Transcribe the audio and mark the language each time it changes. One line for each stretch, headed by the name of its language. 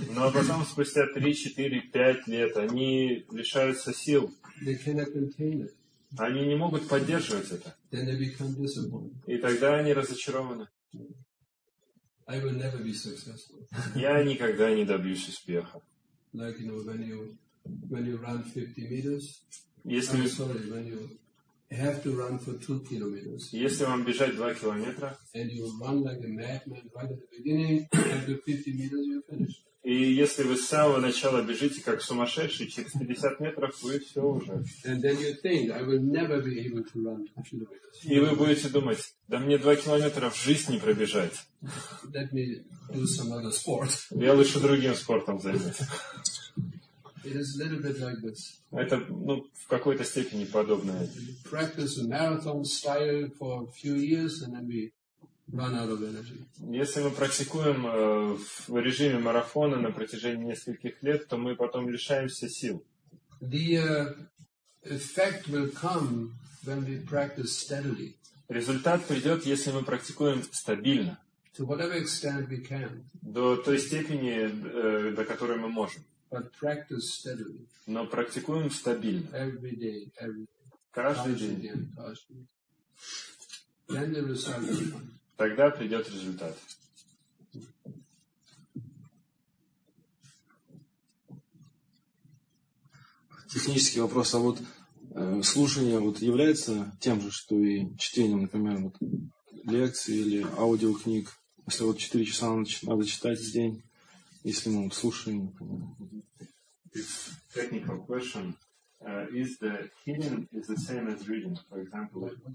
Russian: Но потом, спустя 3-4-5 лет, они лишаются сил.
English: They cannot contain it.
Russian: Они не могут поддерживать это.
English: Then they become disappointed.
Russian: И тогда они разочарованы.
English: I will never be successful.
Russian: Я никогда не добьюсь успеха.
English: Like, you know, when you run 50 meters,
Russian: если...
English: I'm sorry, when you have to run for 2 kilometers.
Russian: Если вам бежать 2 километра,
English: and you run like a madman right at the beginning, after 50 meters you're finished.
Russian: И если вы с самого начала бежите как сумасшедший, через 50 метров вы все уже.
English: And then you think, I will never be able to run 2 kilometers.
Russian: И вы будете думать, да мне 2 километра в жизнь не пробежать.
English: Let me do some other sport.
Russian: Я лучше другим спортом займусь.
English: It is a little bit like this.
Russian: Это, ну, в какой-то степени подобное.
English: We practice a marathon style for a few years and then we run out of energy.
Russian: Если мы практикуем в режиме марафона на протяжении нескольких лет, то мы потом лишаемся сил.
English: The effect will come when we practice steadily.
Russian: Результат придет, если мы практикуем стабильно.
English: To whatever extent we can.
Russian: До той степени, до которой мы можем.
English: But practice steadily.
Russian: Но практикуем стабильно.
English: Every day, every day.
Russian: Каждый день.
English: Then the result will come.
Russian: Тогда придет результат. Технический вопрос. А вот слушание вот является тем же, что и чтением, например, вот, лекций или аудиокниг? Если вот 4 часа надо читать в день. Если мы слушаем,
English: it's a technical question. Is the hearing is the same as reading, for example?